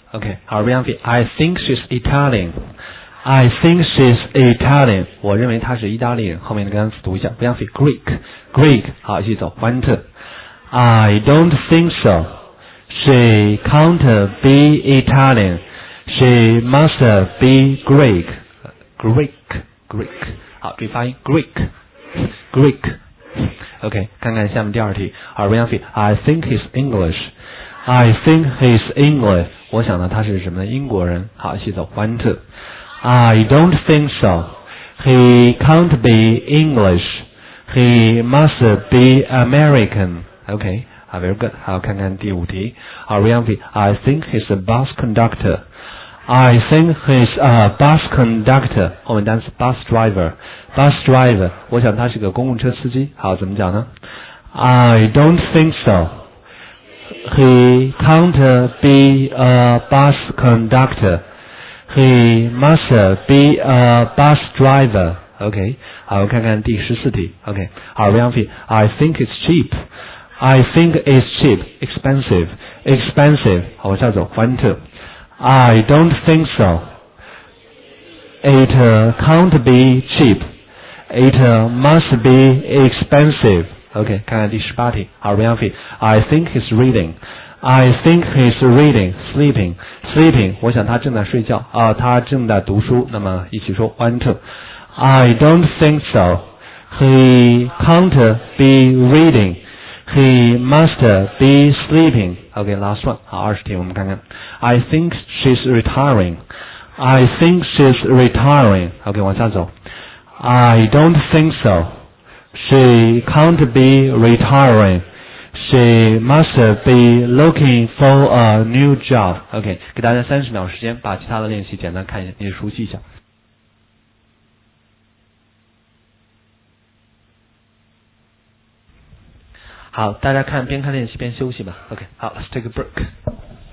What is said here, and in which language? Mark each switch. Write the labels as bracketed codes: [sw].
[en] OK, 好 ，Rianfi, I think she's Italian. I think she's Italian. [zh] 我认为她是意大利人。后面的单词读一下 ，Rianfi, Greek, Greek. 好，一起走 ， [en] one two. I don't think so. She can't be Italian. She must be Greek, Greek, Greek. [zh] 好，注意发音 ，Greek, Greek. OK, 看看下面第二题。 [en] 好 ，Rianfi, I think he's English. I think he's English. [zh] 我想呢，他是什么呢？英国人。好，一起走。 [en] One, two. I don't think so. He can't be English. He must be American. Okay, very good. [zh] 好，看看第五题。 [en] 好 ，Rianfi, I think he's a bus conductor. I think he's a bus conductor. [zh] 后面单词 bus driver. Bus driver. 我想他是个公共车司机。好，怎么讲呢 [en] ？I don't think so. He can't be a bus conductor. He must be a bus driver. [zh] Okay, 好，看看第十四题。 [en] Okay, 好 ，Rianfi, I think it's cheap. I think it's cheap. Expensive, expensive. [zh] 好，往下走。 [en] One, two. I don't think so. It can't be cheap. It must be expensive. OK, [zh] 看看第十八题。 [en] 好 ,Rianfi, I think he's reading. I think he's reading, sleeping, sleeping. [zh] 我想他正在睡觉。他正在读书。那么一起说 , [en] one, two. I don't think so. He can't be reading. He must be sleeping. OK, last one. [zh] 好，二十题我们看看。 [en] I think she's retiring. I think she's retiring. OK, [zh] 往下走。 [en] I don't think so. She can't be retiring. She must be looking for a new job. [zh] OK, 给大家30秒时间把其他的练习简单看一下，你熟悉一下。好，大家看边看练习边休息吧。OK, 好 , [en] let's take a break.